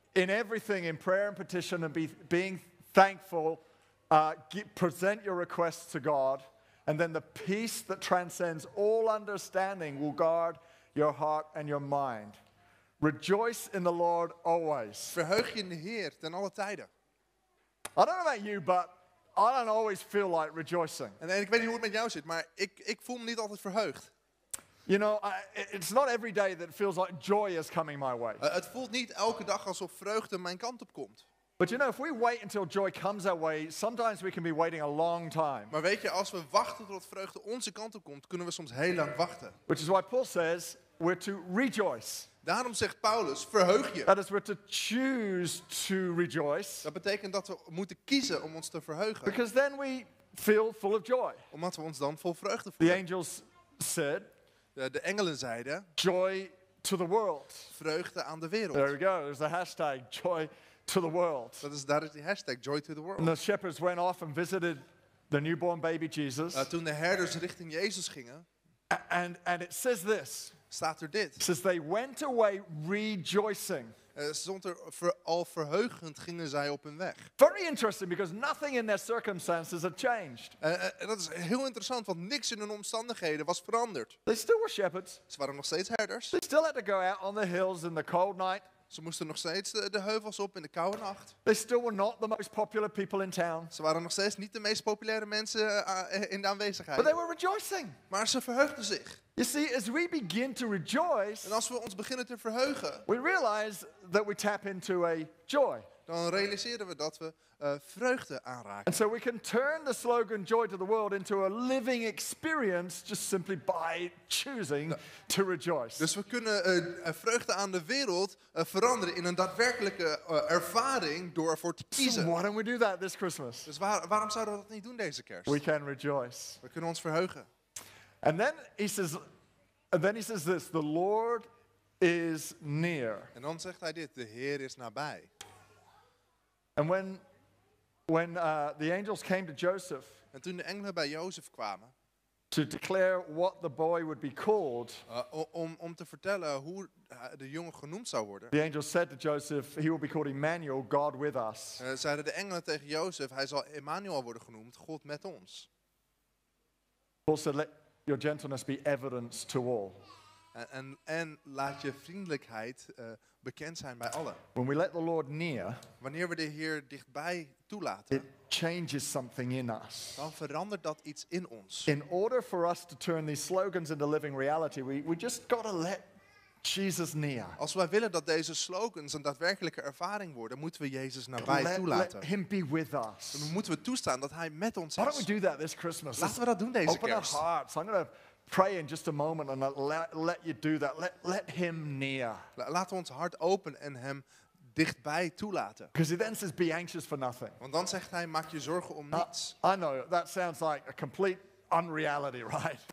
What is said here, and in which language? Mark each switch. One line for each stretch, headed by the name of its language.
English: In everything, in prayer and petition, and being thankful, present your requests to God, and then the peace that transcends all understanding will guard your heart and your mind. Rejoice in the Lord always.
Dutch: Verheug je in de Heer ten alle tijden.
English: I don't know about you, but I don't always feel like rejoicing.
Dutch: En ik weet niet hoe het met jou zit, maar ik voel me niet altijd verheugd.
English: You know, it's not every day that feels like joy is coming my way.
Dutch: Het voelt niet elke dag alsof vreugde mijn kant op komt.
English: But you know, if we wait until joy comes our way, sometimes we can be waiting a long time.
Dutch: Maar weet je, als we wachten tot vreugde onze kant op komt, kunnen we soms heel lang wachten.
English: Which is why Paul says we're to rejoice.
Dutch: Daarom zegt Paulus, verheug je.
English: That is, we're to choose to rejoice.
Dutch: Dat betekent dat we moeten kiezen om ons te verheugen.
English: Because then we feel full of joy.
Dutch: Omdat we ons dan vol vreugde voelen.
English: The angels said.
Dutch: De engelen zeiden.
English: Joy to the world.
Dutch: Vreugde aan de wereld.
English: There we go. There's the hashtag joy to the world. That is the hashtag joy to the world. And the shepherds went off and visited the newborn baby Jesus.
Dutch: Toen de herders richting Jezus gingen.
English: And it says this.
Dutch: staat er dit.
English: It says they went away rejoicing.
Dutch: Al verheugend gingen zij op hun weg.
English: Very interesting, because nothing in their circumstances had changed.
Dutch: Dat is heel interessant, want niks in hun omstandigheden was veranderd.
English: They still were shepherds.
Dutch: Ze waren nog steeds herders.
English: They still had to go out on the hills in the cold night.
Dutch: Ze moesten nog steeds de heuvels op in de koude nacht.
English: They still were not the most popular people in town.
Dutch: Ze waren nog steeds niet de meest populaire mensen in de aanwezigheid.
English: But they were rejoicing.
Dutch: Maar ze verheugden zich.
English: You see, as we begin to rejoice,
Dutch: en als we ons beginnen te verheugen,
English: we realize that we tap into a joy.
Dutch: Dan realiseren we dat we vreugde aanraken.
English: And so we can turn the slogan "Joy to the World" into a living experience, just simply by choosing to rejoice.
Dutch: Dus we kunnen vreugde aan de wereld veranderen in een daadwerkelijke ervaring door ervoor te kiezen.
English: So why don't we do that this Christmas?
Dutch: Dus waarom zouden we dat niet doen deze kerst?
English: We can rejoice.
Dutch: We kunnen ons verheugen.
English: And then he says, this: the Lord is near.
Dutch: En dan zegt hij dit: de Heer is nabij.
English: And when the angels came to Joseph,
Dutch: en toen de engelen bij Jozef kwamen,
English: to declare what the boy would be called,
Dutch: om te vertellen hoe de jongen genoemd zou worden.
English: The angels said to Joseph, he will be called Emmanuel, God with us.
Dutch: Zeiden de engelen tegen Jozef, hij zal Emmanuel worden genoemd, God met ons.
English: Paul said, let your gentleness be evidence to all.
Dutch: En laat je vriendelijkheid bekend zijn bij allen.
English: When we let the Lord near,
Dutch: wanneer we de Heer dichtbij toelaten,
English: it changes something in us.
Dutch: Dan verandert dat iets in ons.
English: In order for us to turn these slogans into living reality, we just gotta let Jesus near.
Dutch: Als wij willen dat deze slogans een daadwerkelijke ervaring worden, moeten we Jezus nabij toelaten.
English: Let him be with us.
Dutch: Dan moeten we toestaan dat Hij met ons is.
English: Why don't we do that this Christmas?
Dutch: Laten we dat doen deze
English: Open
Dutch: kerst.
English: Open our hearts. I'm gonna pray in just a moment and let you do that. Let him near.
Dutch: Laten we ons hart open en hem dichtbij toelaten.
English: Because he then says, be anxious for nothing.
Dutch: Want dan zegt hij, maak je zorgen om niets.
English: I know, that sounds like a complete unreality, right?